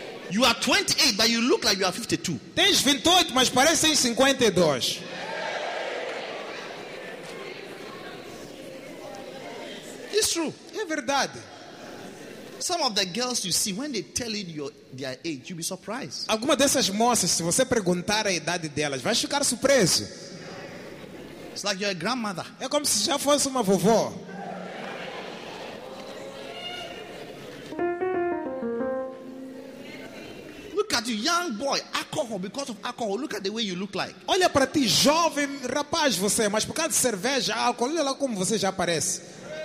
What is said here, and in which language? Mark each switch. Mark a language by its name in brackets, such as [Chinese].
[English] You are 28, but you look like you are 52. [Portuguese] Tens 28, mas parecem 52. [English] It's true. [Portuguese] É verdade. [English] Some of the girls you see, when they tell you their age, you'll be surprised. [Portuguese] Alguma dessas moças, se você perguntar a idade delas, vai ficar surpreso. [English] It's like you're a grandmother. [Portuguese] É como se já fosse uma vovó. [English] Look at you, young boy, alcohol, because of alcohol, look at the way you look like. [Portuguese] Olha para ti, jovem rapaz você, mas por causa de cerveja, álcool, olha lá como você já aparece.